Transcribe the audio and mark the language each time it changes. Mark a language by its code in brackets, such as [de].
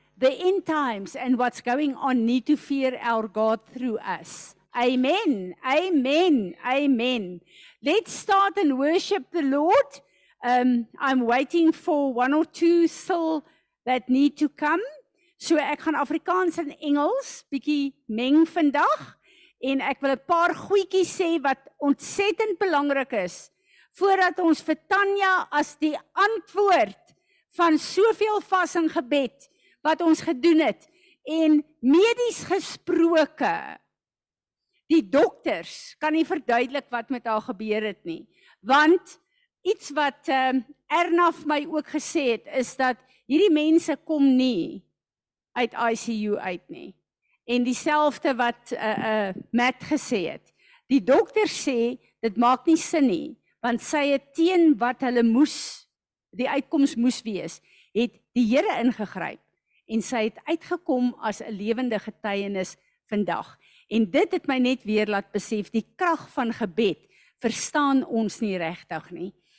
[en] The end times and what's going on need to fear our God through us. Amen. Amen. Amen. Let's start and worship the Lord. I'm waiting for one or two still that need to come. [af] So ek gaan Afrikaans en Engels bietjie meng vandag en ek wil 'n paar goetjies sê wat ontsettend belangrik is voordat ons vir Tanya as die antwoord van soveel vas en gebed wat ons gedoen het en medies gesproke. Die dokters kan nie verduidelik wat met haar gebeur het nie, want iets wat Erna vir my ook gesê het is dat hierdie mense kom nie uit ICU uit nie. En dieselfde wat Matt gesê het. Die dokter sê, dit maak nie sin nie, want sy het teen wat hulle moes, die uitkoms moes wees, het die Here ingegryp. En sy het uitgekom as 'n lewende getuienis vandag. En dit het my net weer laat besef, die krag van gebed verstaan ons nie regtig nie.